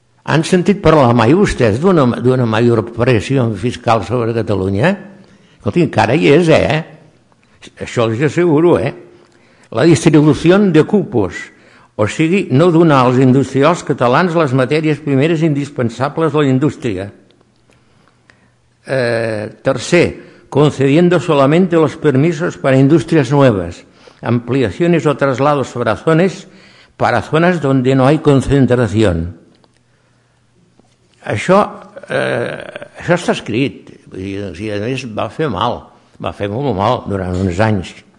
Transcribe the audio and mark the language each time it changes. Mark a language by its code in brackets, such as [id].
[ca] Han sentit parlar mai vostès d'una major pressió fiscal sobre Catalunya? Escolti, encara hi és, eh? Això els asseguro, eh? La distribució de cupos, o sigui, no donar als industrials catalans les matèries primeres indispensables de la indústria. [es] Tercer, concediendo solamente los permisos para industrias nuevas, ampliaciones o traslados sobre zonas para zonas donde no hay concentración. [ca] Això està escrit, i a més va fer mal, va fer molt mal durant uns anys.